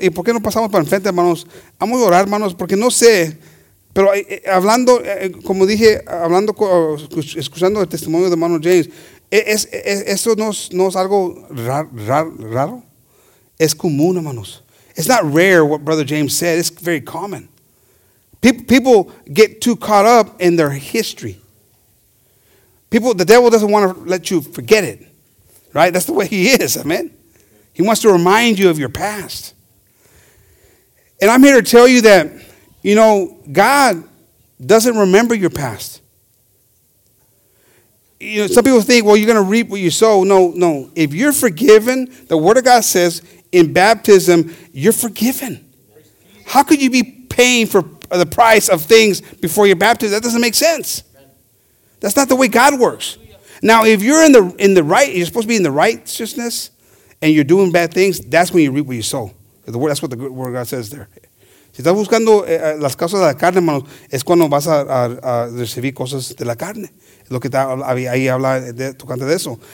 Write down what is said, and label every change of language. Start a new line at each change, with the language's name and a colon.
Spanish: ¿Y por qué no pasamos para enfrente, hermanos? Vamos a orar, hermanos, porque no sé. Pero hablando, como dije, hablando, escuchando el testimonio de hermano James, eso no es algo raro. Es común, hermanos.
English: It's not rare what Brother James said. It's very common. People get too caught up in their history. People, the devil doesn't want to let you forget it, right? That's the way he is, amen? He wants to remind you of your past. And I'm here to tell you that, you know, God doesn't remember your past. You know, some people think, well, you're going to reap what you sow. No. If you're forgiven, the word of God says in baptism, you're forgiven. How could you be paying for the price of things before you're baptized? That doesn't make sense. That's not the way God works. Now, if you're in the right, you're supposed to be in the righteousness, and you're doing bad things, that's when you reap what you sow. That's what the word of God says there.
Spanish: Si estás buscando las causas de la carne, hermanos, es cuando vas a recibir cosas de la carne. Lo que está ahí habla tocante de eso.